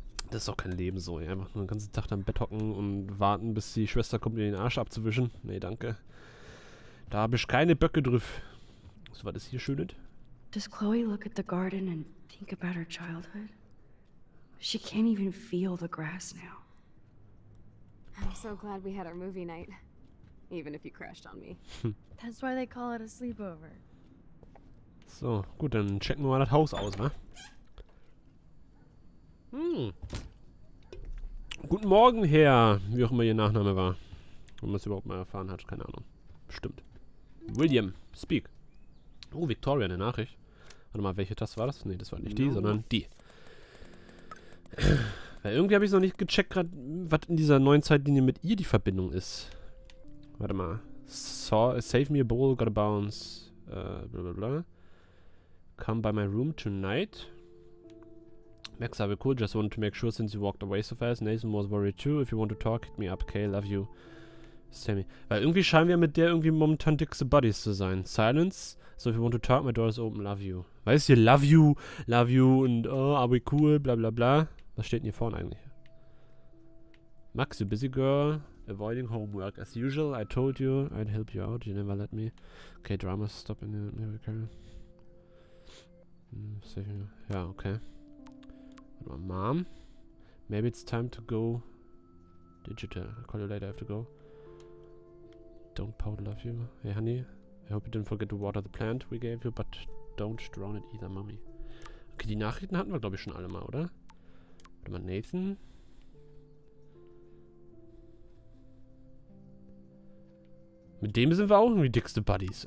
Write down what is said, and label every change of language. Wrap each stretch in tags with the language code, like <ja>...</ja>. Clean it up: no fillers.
<de>Das ist auch kein Leben so. Ja. Einfach nur den ganzen Tag da im Bett hocken und warten, bis die Schwester kommt, mir den Arsch abzuwischen. Nee, danke. Da habe ich keine Böcke drauf. So, was ist hier schön?</de> <en>Does Chloe look at the garden and think about her childhood? She can't even feel the grass now. I'm so glad we had our movie night. Even if you crashed on me. That's why they call it a sleepover.</en> <de>So, gut, dann checken wir mal das Haus aus, ne? Guten Morgen, Herr, wie auch immer Ihr Nachname war. Ob man es überhaupt mal erfahren hat, keine Ahnung. Stimmt. William, speak. Oh, Victoria, eine Nachricht. Warte mal, welche Taste war das? Nee, das war nicht die, sondern die. Weil irgendwie habe ich es noch nicht gecheckt, gerade, was in dieser neuen Zeitlinie mit ihr die Verbindung ist. Warte mal.</de> <en>Save me a bowl, gotta bounce. Blablabla. Come by my room tonight. Max, I'll be cool. Just wanted to make sure since you walked away so fast. Nathan was worried too. If you want to talk, hit me up. Okay, love you. Sammy.</en> <de>Weil irgendwie scheinen wir mit der irgendwie momentan dickste Buddies zu sein.</de> <en>Silence. So, if you want to talk, my door is open. Love you.</en> <de>Weißt du,</de> <en>love you</en> <de>und</de> <en>oh, are we cool,</en> <de>bla bla bla. Was steht denn hier vorne eigentlich?</de> <en>Max, you busy girl. Avoiding homework. As usual, I told you, I'd help you out. You never let me. Okay, drama stop in America.</en> <de>Ja, okay. Warte mal,</de> <en>Mom. Maybe it's time to go digital. I'll call you later, I have to go. Don't pout, love you. Hey, honey. I hope you didn't forget to water the plant we gave you, but don't drown it either, mommy.</en> <de>Okay, die Nachrichten hatten wir, glaube ich, schon alle mal, oder? Warte mal, Nathan. Mit dem sind wir auch irgendwie dickste Buddies.</de>